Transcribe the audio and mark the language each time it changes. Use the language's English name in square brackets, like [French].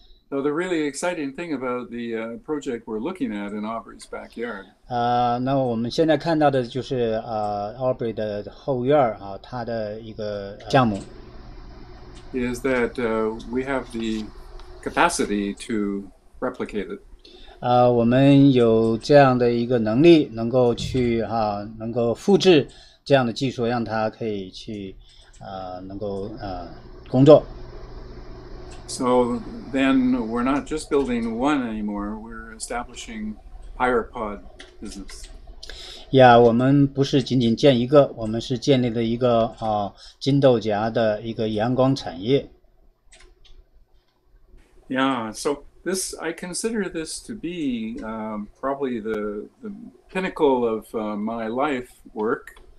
[English] So the really exciting thing about the project we're looking at in Aubrey's backyard. [Chinese] 那我们现在看到的就是Aubrey的后院，他的一个项目。 [English] Is that we have the capacity to replicate it. [Chinese] 我们有这样的一个能力，能够去能够复制这样的技术，让它可以去能够工作。 [English] So then we're not just building one anymore, we're establishing PyraPOD business. [Chinese] Yeah, 我们不是仅仅建一个，我们是建立了一个金豆荚的一个阳光产业。 [English] Yeah, so this I consider this to be probably the pinnacle of my life work.